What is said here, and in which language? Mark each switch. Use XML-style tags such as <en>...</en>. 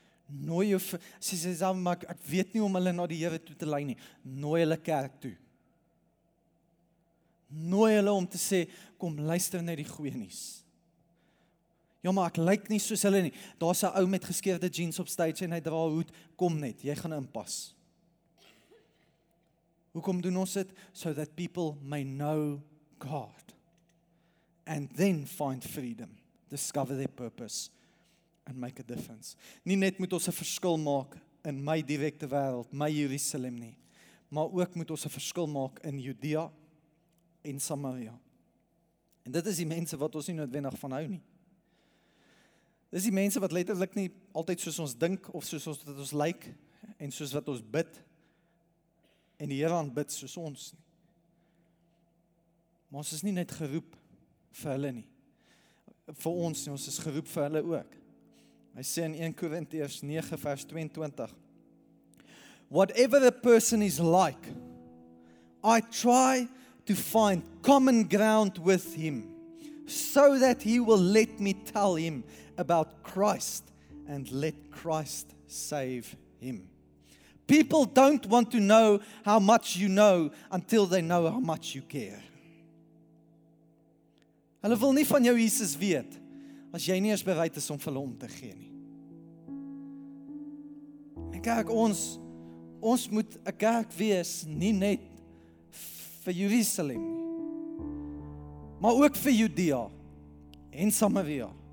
<af>Nooi jou, sê saam, ek weet nie om hulle na die Here toe te lei nie, nooi hulle kerk toe. Nooi hulle om te sê, kom luister na die goeie nuus. Ja, maar ek lyk nie soos hulle nie, daar's 'n ou met geskeurde jeans op stage en hy dra hoed, kom net, jy gaan inpas. Hoekom doen ons dit?</af> <en>So that people may know God, and then find freedom, discover their purpose, and make a difference.</en> <af>Nie net moet ons 'n verskil maak in my direkte wêreld, my Jerusalem nie, maar ook moet ons 'n verskil maak in Judea en Samaria. En dit is die mense wat ons nie noodwendig van hou nie. Dis die mense wat letterlik nie altyd soos ons dink of soos ons dat ons lyk en soos wat ons bid en die Here aanbid soos ons nie. Maar ons is nie net geroep vir hulle nie. Vir ons nie, ons is geroep vir hulle ook. Hy sê in 1 Korintiërs 9 vers 22,</af> <en>Whatever a person is like, I try to find common ground with him, so that he will let me tell him about Christ, and let Christ save him. People don't want to know how much you know, until they know how much you care.</en> <af>Hulle wil nie van jou Jesus weet, as jy nie eens bereid is om vir hulle om te gee nie. En kerk, ons moet 'n kerk wees, nie net vir Jerusalem nie, maar ook vir Judea en Samaria.</af>